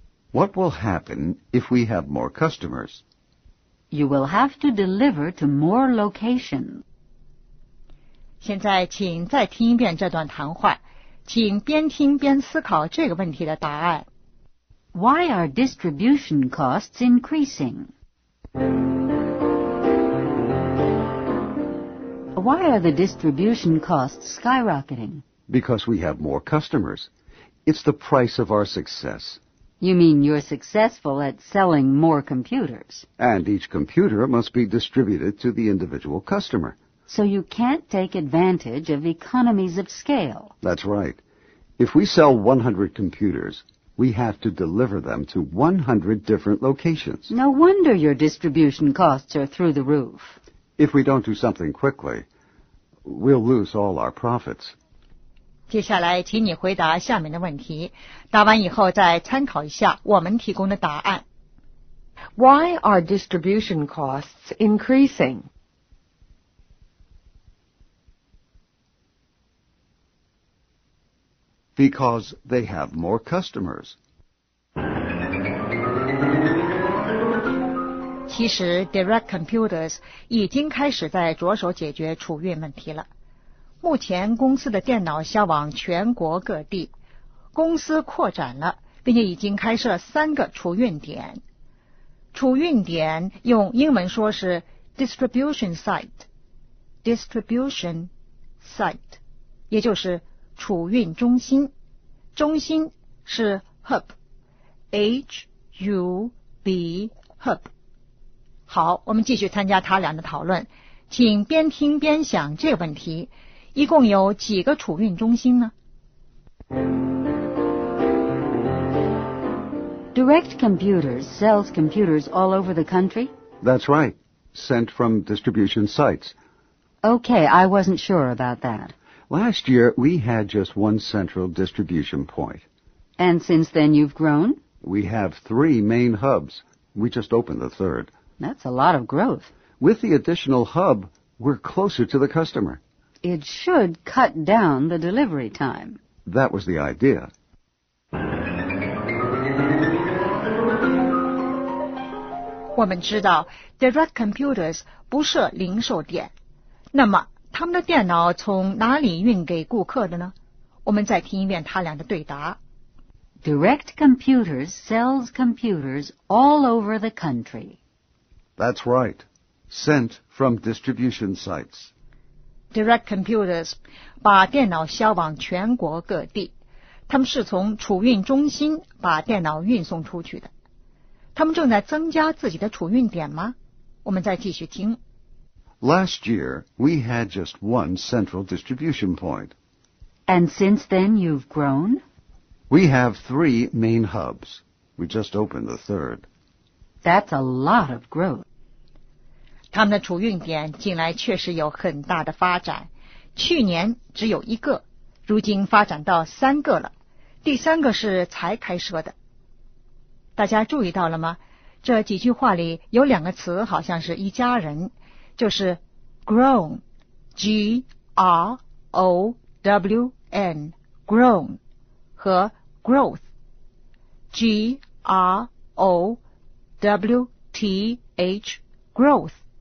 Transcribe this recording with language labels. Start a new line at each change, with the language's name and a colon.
English: What will happen if we have more customers? You will have to deliver to more locations.
Chinese: 现在请再听一遍这段谈话，请边听边思考这个问题的答案。
English: Why are distribution costs increasing? Why are the distribution costs skyrocketing? Because we have more customers. It's the price of our success. You mean you're successful at selling more computers. And each computer must be distributed to the individual customer. So you can't take advantage of economies of scale. That's right. If we sell 100 computers, we have to deliver them to 100 different locations. No wonder your distribution costs are through the roof. If we don't do something quickly, we'll lose all our profits.
Chinese: 接下来请你回答下面的问题，答完以后再参考一下我们提供的答案。
English: Why are distribution costs increasing? Because they have more customers.
Chinese: 其实 Direct Computers 已经开始在着手解决储运问题了。目前公司的电脑销往全国各地，公司扩展了，并且已经开设三个储运点。储运点用英文说是
English: distribution site， distribution site，
Chinese: 也就是储运中心。中心是 hub， H-U-B， hub。好，我们继续参加他俩的讨论，请边听边想这个问题：一共有几个储运中心呢？
English: Direct Computers sells computers all over the country? That's right. Sent from distribution sites. Okay, I wasn't sure about that. Last year, we had just one central distribution point. And since then, you've grown? We have three main hubs. We just opened the third. That's a lot of growth. With the additional hub, we're closer to the customer. It should cut down the delivery time. That was the idea.
Chinese: 我们知道 Direct Computers 不设零售店，那么他们的电脑从哪里运给顾客的呢？我们再听一遍他俩的对答。
English: Direct Computers sells computers all over the country. That's right. Sent from distribution sites.
Chinese: Direct Computers 把电脑销往全国各地，他们是从储运中心把电脑运送出去的。他们正在增加自己的储运点吗？我们再继续听。 Last year, we had just one central distribution point. And since then, you've grown? We have three main hubs. We just opened the third. That's a lot of growth. 他们的储运点近来确实有很大的发展。去年只有一个，如今发展到三个了。第三个是才开设的。大家注意到了吗？这几句话里有两个词好像是一家人，就是 grown， G-R-O-W-N， grown 和 growth， G-R-O-W-T-H， growth。